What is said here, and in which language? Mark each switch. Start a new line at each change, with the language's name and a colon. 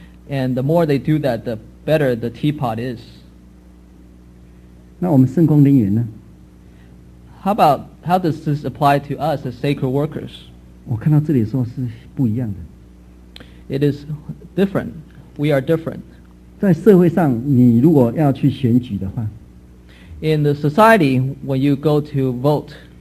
English: And the more they do that, the better the teapot is.
Chinese: 那我们圣工人员呢？
English: How does this apply to us as sacred workers?
Chinese: 我看到这里说是不一样的。
English: It is different. We are different.
Chinese: 在社会上，你如果要去选举的话，
English: In the society, when you go to vote,